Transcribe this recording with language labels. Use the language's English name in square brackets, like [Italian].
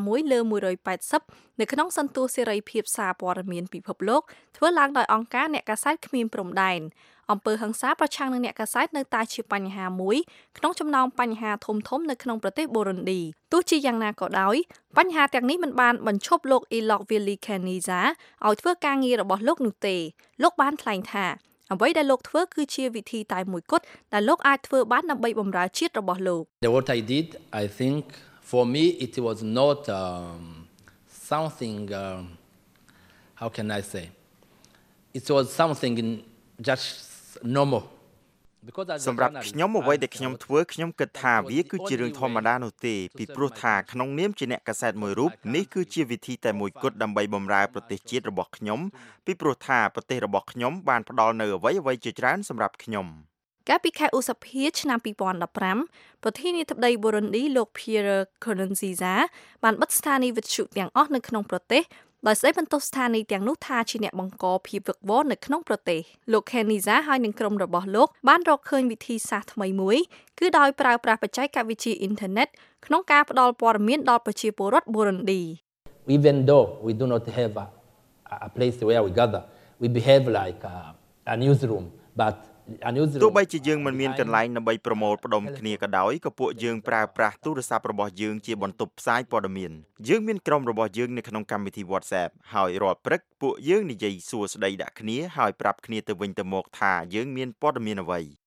[Khmer] លើ180នៅក្នុងសន្ទស្សន៍សេរីភាពសារព័ត៌មានពិភពលោកធ្វើឡើងដោយអង្គការអ្នកកសែតគ្មានព្រំដែនអំពើហិង្សាប្រឆាំងនឹងអ្នកកសែតនៅតែជាបញ្ហាមួយក្នុងចំណោមបញ្ហាធំធំនៅក្នុងប្រទេសប៊ូរុនឌីទោះជាយ៉ាងណាក៏ដោយបញ្ហាទាំងនេះមិនបានបញ្ឈប់លោកអ៊ីឡុកវីលីខេនីសាឲ្យធ្វើការងាររបស់លោកនោះទេលោកបានថ្លែងថាអ្វីដែលលោកធ្វើគឺជាវិធីតែមួយគត់ដែលលោកអាចធ្វើបានដើម្បីបំរើជាតិរបស់លោក [English] The what I did I think for me it was not something how can I say it was something in just normal [Khmer] សម្រាប់ខ្ញុំអ្វីដែលខ្ញុំធ្វើខ្ញុំគិតថាវាគឺជារឿងធម្មតានោះទេពីព្រោះថាក្នុងនាមជាអ្នកកសែតមួយរូបនេះគឺជាវិធីតែមួយគត់ដើម្បីបំរើប្រទេសជាតិរបស់ខ្ញុំពីព្រោះថាប្រទេសរបស់ខ្ញុំបានផ្ដល់នូវអ្វីអ្វីជាច្រើនសម្រាប់ខ្ញុំ កាលពីខែឧសភាឆ្នាំ2015ប្រធានាធិបតីប៊ូរុនឌីលោក Pierre Nkurunziza បានបិទស្ថានីយ៍វិទ្យុទាំងអស់នៅក្នុងប្រទេសដោយស្ដីបន្ទោសស្ថានីយ៍ទាំងនោះថាជាអ្នកបង្កភាពវឹកវរនៅក្នុងប្រទេសលោកខេនីសាហើយនឹងក្រុមរបស់លោកបានរកឃើញវិធីសាស្ត្រថ្មីមួយគឺដោយប្រើប្រាស់បច្ចេកវិទ្យាអ៊ីនធឺណិតក្នុងការផ្ដល់ព័ត៌មានដល់ប្រជាពលរដ្ឋប៊ូរុនឌី [English] Even though we do not have a place where we gather we behave like a newsroom but [Khmer] ទោះបីជាយើងមិនមានកន្លែងដើម្បីប្រមូលផ្ដុំគ្នាក៏ដោយក៏ពួកយើងប្រើប្រាស់ទូរស័ព្ទរបស់យើងជាបន្ទប់ផ្សាយព័ត៌មានយើងមានក្រុមរបស់យើងនៅក្នុងកម្មវិធី WhatsApp ហើយរាល់ព្រឹកពួកយើងនិយាយសួស្ដីដាក់គ្នាហើយប្រាប់គ្នាទៅវិញទៅមកថាយើងមានព័ត៌មានអ្វី